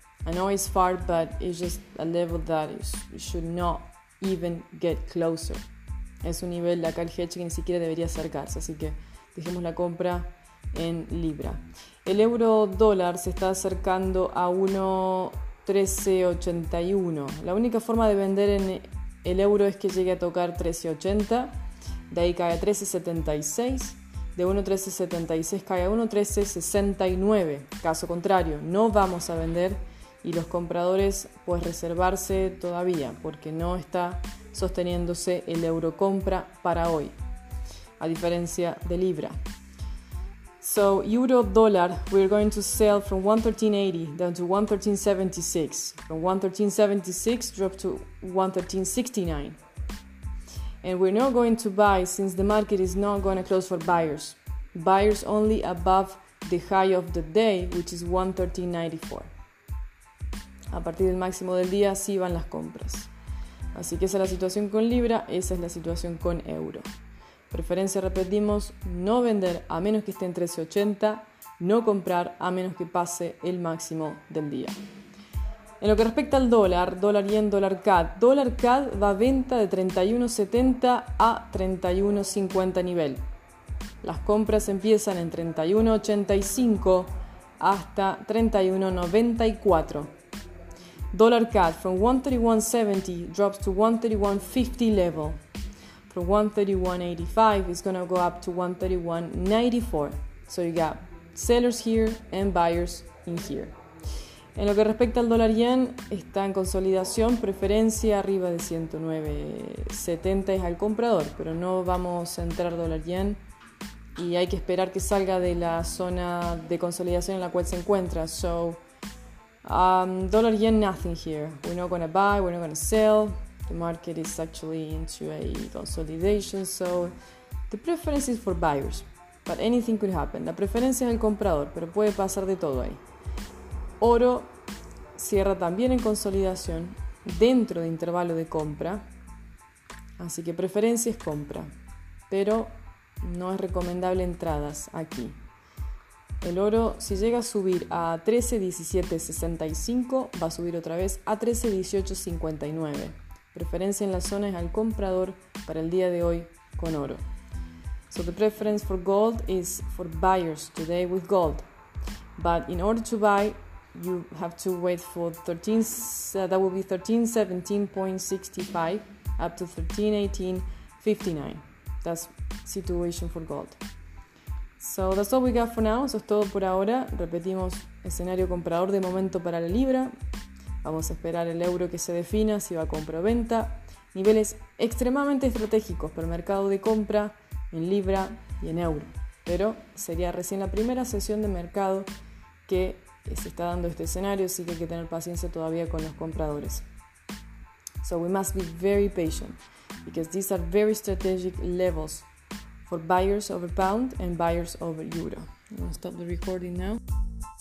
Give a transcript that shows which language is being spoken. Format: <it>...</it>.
<en>I know it's far, but it's just a level that should not even get closer.</en> <es>Es un nivel acá el hedge que ni siquiera debería acercarse, así que dejemos la compra en libra. El euro dólar se está acercando a 1.1381. La única forma de vender en el euro es que llegue a tocar 1380, de ahí cae a 1376. De 1.1376 cae a 1.1369. Caso contrario, no vamos a vender. Y los compradores, pues reservarse todavía, porque no está sosteniéndose el euro compra para hoy, a diferencia de libra.</es> <en>So, euro dollar, we're going to sell from 1.1380 down to 1.1376. From 1.1376 drop to 1.1369. And we're not going to buy since the market is not going to close for buyers. Buyers only above the high of the day, which is 1.1394.</en> <es>A partir del máximo del día, sí van las compras. Así que esa es la situación con libra, esa es la situación con euro. Preferencia, repetimos, no vender a menos que esté en 1380, no comprar a menos que pase el máximo del día. En lo que respecta al dólar, dólar yen, dólar CAD va a venta de 31.70 a 31.50 nivel. Las compras empiezan en 31.85 hasta 31.94.</es> <en>Dollar CAD from 131.70 drops to 131.50 level. From 131.85 is going to go up to 131.94. So you got sellers here and buyers in here.</en> <es>En lo que respecta al dólar yen, está en consolidación, preferencia arriba de 109.70 es al comprador, pero no vamos a entrar dólar yen y hay que esperar que salga de la zona de consolidación en la cual se encuentra.</es> <en>So dollar yen, nothing here. We're not going to buy, we're not going to sell. The market is actually into a consolidation, so the preference is for buyers, but anything could happen.</en> <es>La preferencia es el comprador, pero puede pasar de todo ahí. Oro cierra también en consolidación dentro de intervalo de compra, así que preferencia es compra, pero no es recomendable entradas aquí. El oro, si llega a subir a 13.1765, va a subir otra vez a 13.1859. Preferencia en la zona es al comprador para el día de hoy con oro.</es> <en>So the preference for gold is for buyers today with gold. But in order to buy, you have to wait for 1317.65 up to 1318.59. That's situation for gold. So that's all we got for now.</en> <es>Eso es todo por ahora. Repetimos, escenario comprador de momento para la libra. Vamos a esperar el euro que se defina, si va a compra o venta. Niveles extremadamente estratégicos para el mercado de compra en libra, y en euro, pero sería recién la primera sesión de mercado que se está dando este escenario, así que hay que tener paciencia todavía con los compradores.</es> <en>So we must be very patient, because these are very strategic levels for buyers over pound and buyers over euro. I'm going to stop the recording now.</en>